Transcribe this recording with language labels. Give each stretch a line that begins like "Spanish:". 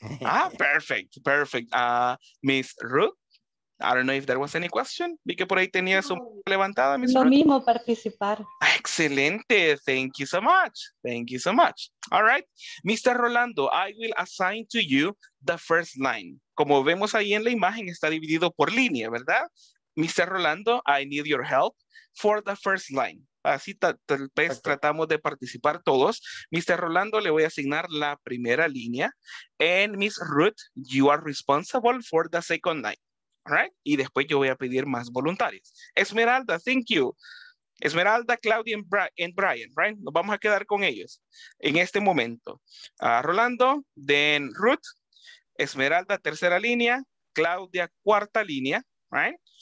English: Ah, perfect, perfect. Miss Ruth? I don't know if there was any question.
Spanish: Vi que por ahí tenía su levantada. Lo friend. Mismo participar.
English: Excelente. Thank you so much. Thank you so much. All right. Mr. Rolando, I will assign to you the first line.
Spanish: Como vemos ahí en la imagen, está dividido por línea, ¿verdad?
English: Mr. Rolando, I need your help for the first line.
Spanish: Así tal vez tratamos de participar todos. Mr. Rolando, le voy a asignar la primera línea.
English: And Miss Ruth, you are responsible for the second line. Right?
Spanish: Y después yo voy a pedir más voluntarios. Esmeralda,
English: thank you.
Spanish: Esmeralda, Claudia and Brian,
English: right?
Spanish: Nos vamos a quedar con ellos en este momento. Rolando, then Ruth, Esmeralda, tercera línea, Claudia, cuarta línea, right?